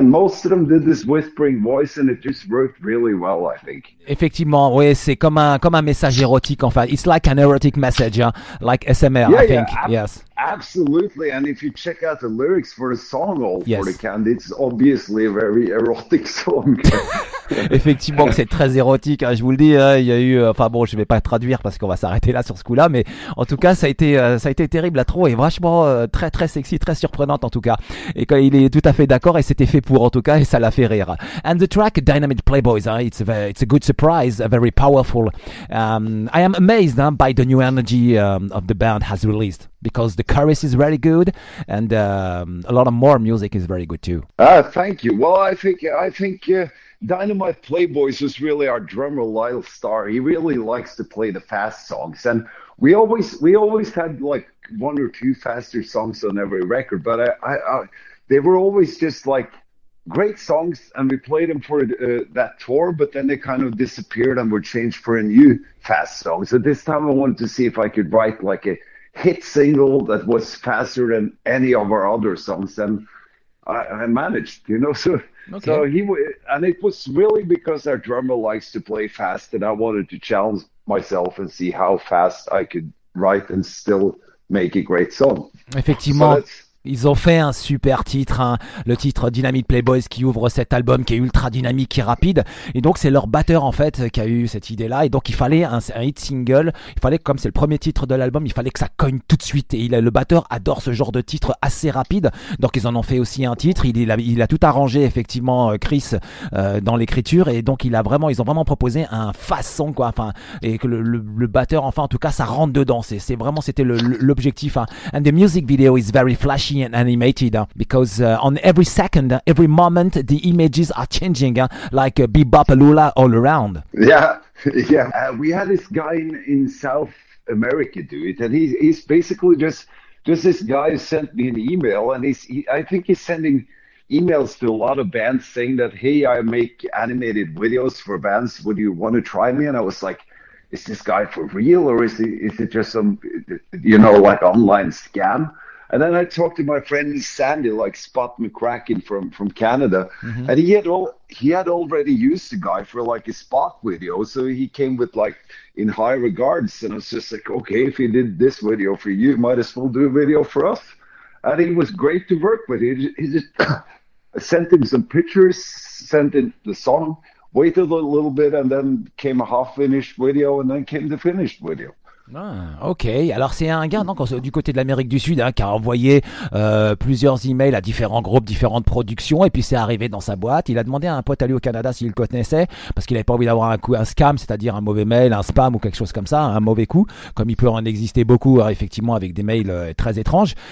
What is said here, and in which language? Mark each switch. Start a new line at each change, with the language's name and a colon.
English: And most of them did this whispering voice, and it just worked really well, I think.
French: Effectivement, oui, c'est comme un message érotique, en fait.
English: It's like an erotic message, yeah? Like SMR, yeah, I think. Yes. Absolutely, and if you check out the lyrics for the song "All for the Candy," it's obviously a very erotic song.
French: Effectivement, c'est très érotique. Hein, je vous le dis. Hein, il y a eu. Enfin bon, je vais pas traduire parce qu'on va s'arrêter là sur ce coup-là. Mais en tout cas, ça a été terrible. La trop est vachement très très sexy, très surprenante en tout cas. Et quand il est tout à fait d'accord, et c'était fait pour en tout cas, et ça l'a fait rire.
English: And the track "Dynamite Playboys," hein, it's a good surprise, a very powerful. I am amazed by the new energy of the band has released. Because the chorus is really good, and a lot of more music is very good too. Ah, thank you. Well, I think Dynamite Playboys is really our drummer, Lyle Starr. He really likes to play the fast songs, and we always had like one or two faster songs on every record, but I they were always just like great songs, and we played them for that tour, but then they kind of disappeared and were changed for a new fast song. So this time I wanted to see if I could write like a hit single that was faster than any of our other songs, and I managed, you know. So, okay. So he and it was really because our drummer likes to play fast, and I wanted to challenge myself and see how fast I could write and still make a great song.
French: Effectivement. So ils ont fait un super titre, hein, le titre Dynamite Playboys qui ouvre cet album qui est ultra dynamique et rapide. Et donc c'est leur batteur en fait qui a eu cette idée là. Et donc il fallait un hit single. Il fallait, comme c'est le premier titre de l'album, il fallait que ça cogne tout de suite. Et le batteur adore ce genre de titre assez rapide. Donc ils en ont fait aussi un titre. Il a tout arrangé effectivement Chris dans l'écriture. Et donc ils ont vraiment proposé un fast song, quoi. Enfin, et que le batteur, enfin en tout cas, ça rentre dedans. C'est vraiment, c'était l'objectif. Hein.
English: And the music video is very flashy and animated because on every second, every moment, the images are changing like Bebop-a-Lula all around. Yeah. We had this guy in South America do it, and he's basically just this guy who sent me an email, and I think he's sending emails to a lot of bands saying that, hey, I make animated videos for bands, would you want to try me? And I was like, is this guy for real, or is it just some, you know, like online scam? And then I talked to my friend Sandy, like Spot McCracken from Canada, mm-hmm. and he had already used the guy for like a Spot video, so he came with like in high regards, and I was just like, okay, if he did this video for you, might as well do a video for us. And he was great to work with. He just sent him some pictures, sent in the song, waited a little bit, and then came a half finished video, and then came the finished video.
French: Ah, ok, alors c'est un gars donc, du côté de l'Amérique du Sud hein, qui a envoyé plusieurs emails à différents groupes, différentes productions, et puis c'est arrivé dans sa boîte. Il a demandé à un pote à lui au Canada s'il le connaissait, parce qu'il avait pas envie d'avoir un scam, c'est-à-dire un mauvais mail, un spam ou quelque chose comme ça, un mauvais coup, comme il peut en exister beaucoup hein, effectivement, avec des mails très étranges.